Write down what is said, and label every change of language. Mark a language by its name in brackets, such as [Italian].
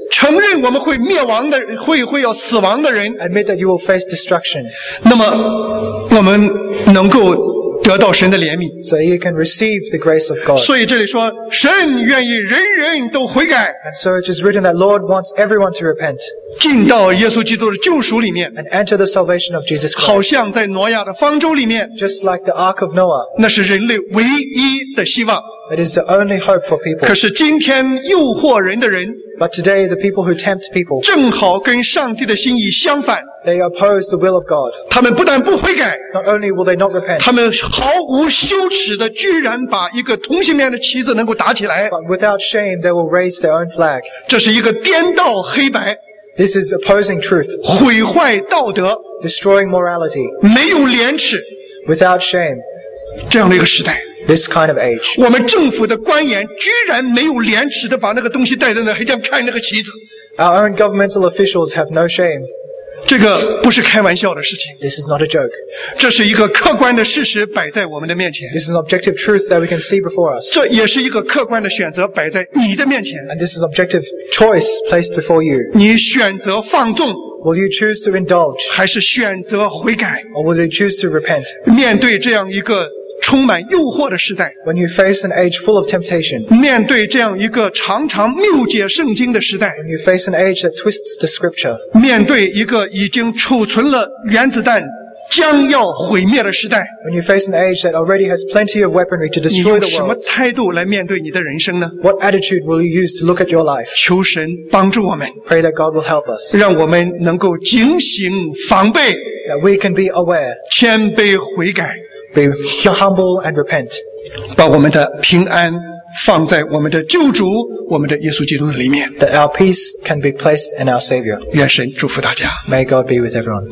[Chinese] 承认我们会灭亡的，会要死亡的人。 [English] Admit that you will face destruction. [Chinese] 那么我们能够得到神的怜悯。 [English] So you can receive the grace of God. [Chinese] 所以这里说，神愿意人人都悔改。 [English] And so it is written that Lord wants everyone to repent. [Chinese] 进到耶稣基督的救赎里面。 [English] And enter the salvation of Jesus Christ. [Chinese] 好像在挪亚的方舟里面。 [English] Just like the Ark of Noah. [Chinese] 那是人类唯一的希望。 [English] It is the only hope for people. [Chinese] 可是今天诱惑人的人。 [English] But today, the people who tempt people. [Chinese] 正好跟上帝的心意相反。 [English] They oppose the will of God. [Chinese] 他们不但不悔改， [English] not only will they not repent, [Chinese] 他们毫无羞耻的居然把一个同性恋的旗子能够打起来， [English] but without shame, they will raise their own flag. [Chinese] 这是一个颠倒黑白， [English] this is opposing truth, [Chinese] 毁坏道德， [English] destroying morality, [Chinese] 没有廉耻， [English] without shame, [Chinese] 这样的一个时代。 [English] This kind of age. [Chinese] 我们政府的官员居然没有廉耻的把那个东西带在那，还想看那个旗子。 [English] Our own governmental officials have no shame. [Chinese] 这个不是开玩笑的事情。 [English] This is not a joke. [Chinese] 这是一个客观的事实摆在我们的面前。 [English] This is an objective truth that we can see before us. [Chinese] 这也是一个客观的选择摆在你的面前。 [English] And this is an objective choice placed before you. [Chinese] 你选择放纵。 [English] Will you choose to indulge? [Chinese] 还是选择悔改？ [English] Or will you choose to repent? [Chinese] 面对这样一个充满诱惑的时代， [English] When you face an age full of temptation, [Chinese] 面对这样一个常常谬解圣经的时代， [English] When you face an age that twists the scripture, [Chinese] 面对一个已经储存了原子弹将要毁灭的时代， [English] When you face an age that already has plenty of weaponry to destroy the world, [Chinese] 你用什么态度来面对你的人生呢？ [English] What attitude will you use to look at your life? [Chinese] 求神帮助我们， [English] Pray that God will help us, [Chinese] 让我们能够警醒防备， [English] That we can be aware, [Chinese] 谦卑悔改， [English] Be humble and repent. [Chinese] 把我们的平安放在我们的救主，我们的耶稣基督的里面。 [English] That our peace can be placed in our Savior. [Chinese] 愿神祝福大家。 [English] May God be with everyone.